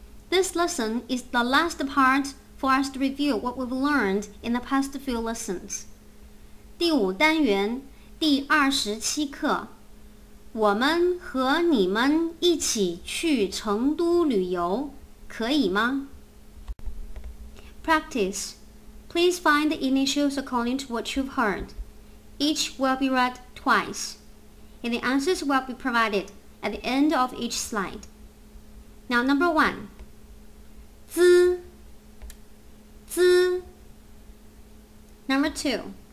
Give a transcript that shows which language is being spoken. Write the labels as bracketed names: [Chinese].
[English] This lesson is the last part for us to review what we've learned in the past few lessons. [Chinese] 第五单元第二十七课，我们和你们一起去成都旅游，可以吗？ [English] Practice. Please find the initials according to what you've heard. Each will be read twice, and the answers will be provided at the end of each slide. Now, number one. 滋滋 Number two.